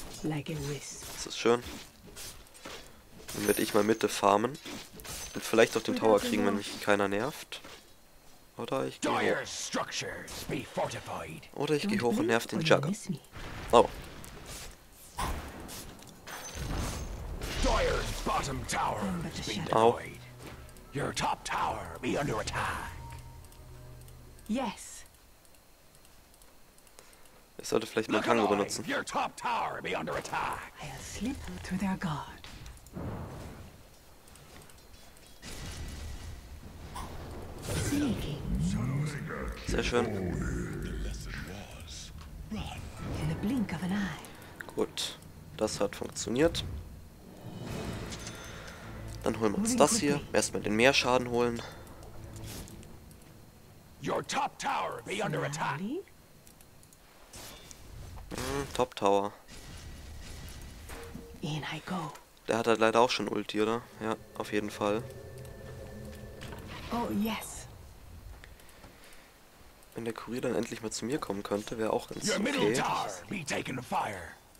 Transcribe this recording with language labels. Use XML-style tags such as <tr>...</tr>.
<de>Das ist schön. Dann werde ich mal Mitte farmen. Und vielleicht auch den Tower kriegen, wenn mich keiner nervt. Oder ich gehe hoch. Oder ich gehe hoch und nerv den Jugger. Oh.</de> <en>Dire's bottom tower be destroyed. Your top tower be under attack. Yes.</en> <de>Ich sollte vielleicht mal Kango benutzen.</de> <en>Your top tower be under attack. I'll slip through their guard.</en> <de>Sehr schön.</de> <en>blink of an eye.</en> <de>Gut, das hat funktioniert. Dann holen wir uns das hier. Erstmal den Meerschaden holen.</de> <en>Your top tower be under attack. Top Tower. In I go.</en> <de>Der hat halt leider auch schon Ulti, oder? Ja, auf jeden Fall.</de> <en>Oh yes.</en> <de>Wenn der Kurier dann endlich mal zu mir kommen könnte, wäre auch ganz okay.</de> <en>Your middle tower be taken to fire.</en>